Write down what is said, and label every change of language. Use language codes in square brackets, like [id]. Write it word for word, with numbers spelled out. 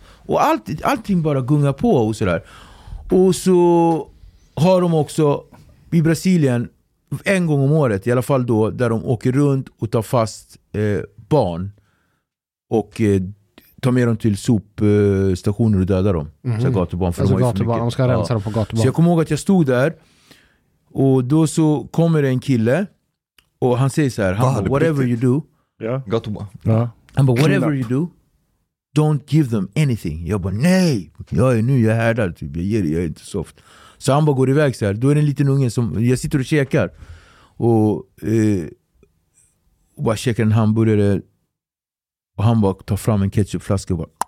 [sv] Och allt, allting bara gungar på och sådär. Och så har de också i Brasilien en gång om året, i alla fall då, där de åker runt och tar fast eh, barn. Och eh, ta med dem till sopstationer och döda dem. Mm-hmm. Så gatubarn, för alltså de, gatubarn, de ska rensa ja. dem på gatubarn. Så jag kommer ihåg att jag stod där och då så kommer det en kille och han säger så här, han bara, [en] whatever you do [sv] ja. gatubarn. Ja. Han bara, [en] whatever you do, don't give them anything. [sv] Jag bara, nej, jag är nu, jag är härdad typ. Jag ger det, jag är inte soft. Så han bara går iväg så här, då är det en liten unge som, jag sitter och käkar och, eh, och bara käkar en hamburgare. Och han bara tar fram en ketchupflaska och bara...